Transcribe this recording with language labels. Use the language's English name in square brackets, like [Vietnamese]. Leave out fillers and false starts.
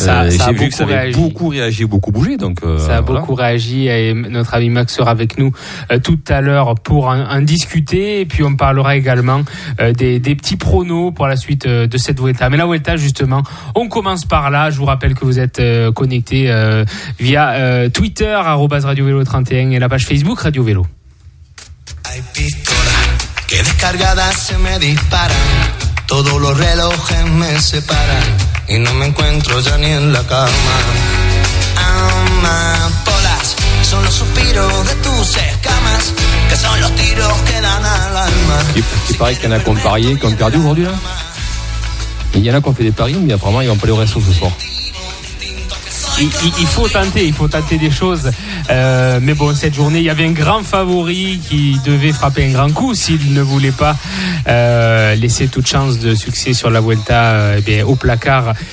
[French] Ça a beaucoup réagi, beaucoup bougé. Beaucoup réagi et notre ami Max sera avec nous tout à l'heure pour en discuter. Et puis on parlera également des petits pronos pour la suite de cette Vuelta. Mais la Vuelta, justement, on commence par là. Je vous rappelle que vous êtes connectés via Twitter, @radiovélo31 et la page Facebook Radio Vélo. [Spanish] Hay pistolas que descargadas se me disparan, todos los relojes me separan y no me encuentro ya ni en la cama. Amapolas son los suspiros de tus escamas, que son los tiros que dan al alma. [French] Qui paraît qu'il y en a qui ont parié, qui ont perdu aujourd'hui là. Il y en a qui ont fait des paris, mais apparemment ils vont pas aller au resto ce soir. Il faut tenter des choses. Mais bon, cette journée, il y avait un grand favori qui devait frapper un grand coup s'il ne voulait pas laisser toute chance de succès sur la Vuelta au placard.